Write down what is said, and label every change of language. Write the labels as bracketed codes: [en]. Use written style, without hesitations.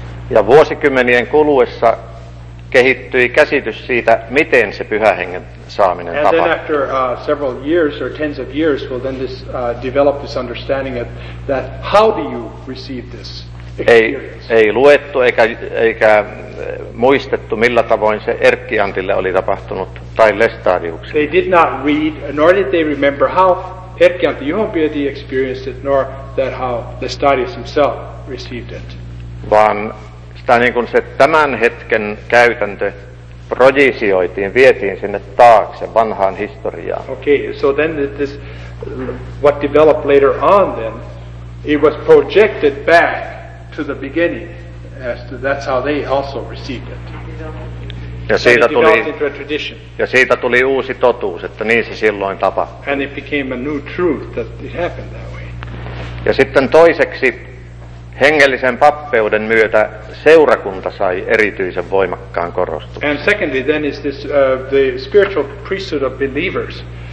[fi] Ja vuosikymmenien kuluessa kehittyi käsitys siitä, miten se Pyhän Hengen saaminen tapahtui. [en] And then after several years or tens of years, well then this developed this understanding of that how do you receive this experience? [fi] Ei luettu eikä muistettu, millä tavoin se Erkki-Antille oli tapahtunut tai Lestadiukselle. [en] They did not read, nor did they remember how Erkki-Antti Juhonpieti experienced it, nor that how Lestadius himself received it. [fi] Vaan sitä niin kuin se tämän hetken käytäntö projisioitiin, vietiin sinne taakse vanhaan historiaan. [en] Okay, so then this, what developed later on then, it was projected back to the beginning, as to that's how they also received it. [fi] Ja siitä, [en] and it developed into a tradition. [fi] Ja siitä tuli uusi totuus, että niin se silloin tapahtui. [en] And it became a new truth that it happened that way. [fi] Ja sitten toiseksi, hengellisen pappeuden myötä seurakunta sai erityisen voimakkaan korostuksen. [en] And secondly, then is this the spiritual priesthood of believers.